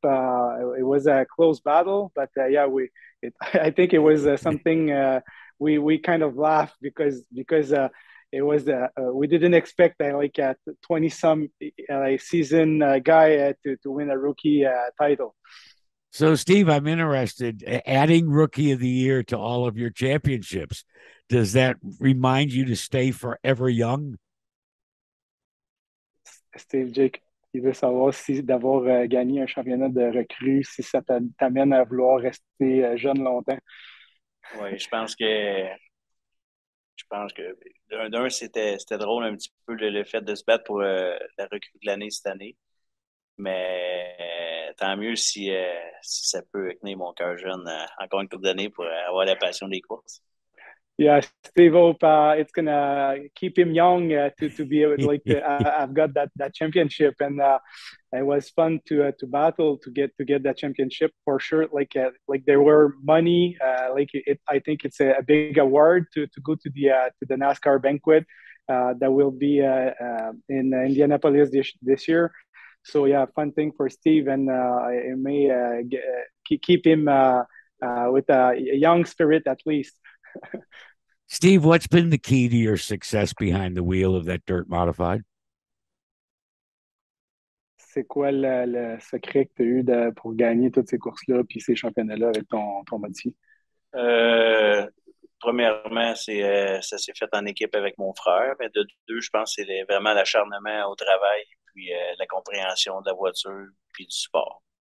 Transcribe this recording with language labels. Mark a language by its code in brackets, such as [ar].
[en] It was a close battle, but I think it was something we kind of laughed because it was we didn't expect like a 20 some season guy to win a rookie title. So Steve, I'm interested, adding Rookie of the Year to all of your championships, does that remind you to stay forever young? [fr] Steve, Jake, il veut savoir si d'avoir gagné un championnat de recrues, si ça t'amène à vouloir rester jeune longtemps. Oui, je pense que d'un, c'était drôle un petit peu le fait de se battre pour la recrue de l'année cette année. Mais tant mieux si ça peut tenir mon cœur jeune encore une couple d'années pour avoir la passion des courses. [en] Yeah, Steve Hope, it's going to keep him young to be able like, I've got that championship, and it was fun to battle to get that championship for sure. Like there were money, I think it's a big award to go to the NASCAR banquet that will be in Indianapolis this year. So yeah, fun thing for Steve, and it may keep him with a young spirit at least. Steve, what's been the key to your success behind the wheel of that dirt modified? [fr] C'est quoi le secret que tu as eu pour gagner toutes ces courses-là puis ces championnats-là avec ton modifié? Premièrement, c'est ça s'est fait en équipe avec mon frère. Mais de deux, je pense que c'est vraiment l'acharnement au travail puis la compréhension de la voiture puis du sport.